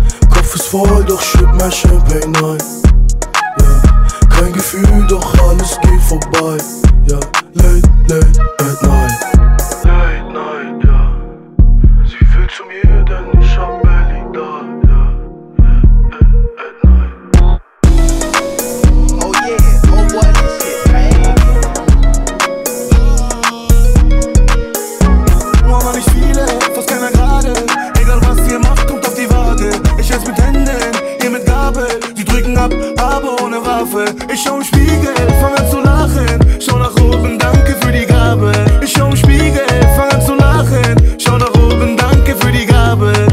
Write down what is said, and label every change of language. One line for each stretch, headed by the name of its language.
German: Kopf ist voll, doch schütt mein Champagne ein. Ja, kein Gefühl, doch alles geht vorbei.
English: Ja, late, late at night. Late night, ja.
German: Sie will zu mir, denn ich hab Belly da.
English: Ja, at night. Oh yeah, oh what is it, right?
German: Mama, ich spiele, fast keiner gerade. Egal was ihr macht, kommt auf die Waage. Ich esse mit Händen, ihr mit Gabel. Sie drücken ab, aber ohne Waffe. Ich schau im Spiegel, fang an zu lachen. Schau nach oben, danke für die Gabe. Ich schau im Spiegel, fang an zu lachen. Schau nach oben, danke für die Gabe.